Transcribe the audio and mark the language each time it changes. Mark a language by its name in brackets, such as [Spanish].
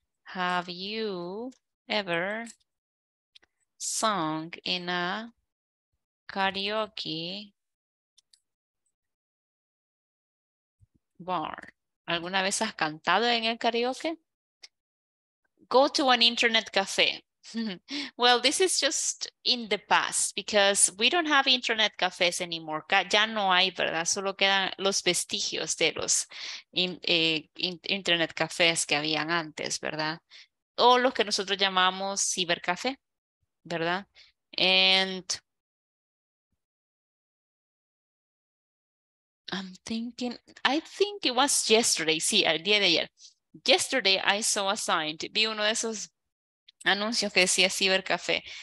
[English] Have you ever sung in a karaoke bar? [Spanish] ¿Alguna vez has cantado en el karaoke? [English] Go to an internet cafe. Well, this is just in the past because we don't have internet cafes anymore. [Spanish] Ya no hay, ¿verdad? Solo quedan los vestigios de los internet cafés que habían antes, ¿verdad? O los que nosotros llamamos cibercafé, ¿verdad? [English] And I'm thinking, I think it was yesterday. [Spanish] Sí, el día de ayer. [English] Yesterday, I saw a sign. [Spanish] Vi uno de esos anuncios que decía cibercafé.